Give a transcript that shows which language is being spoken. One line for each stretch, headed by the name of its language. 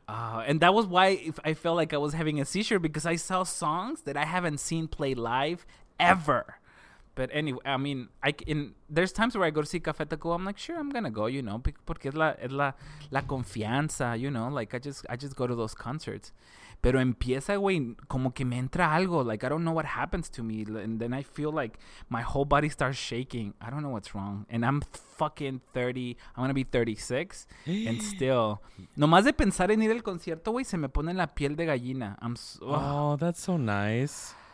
English: And that was why I felt like I was having a seizure, because I saw songs that I haven't seen play live ever. But anyway, I mean, there's times where I go to see Café Tacuba. I'm like, sure, I'm going to go, you know,
Spanish: porque es la confianza,
English: you know, like I just go to those concerts.
Spanish: Pero empieza, güey, como que me entra algo.
English: Like, I don't know what happens to me. And then I feel like my whole body starts shaking. I don't know what's wrong. And I'm fucking 30. I'm going to be 36. And still,
Spanish: nomás de pensar en ir al concierto, güey, se me pone la piel de gallina.
English: Oh, that's so nice.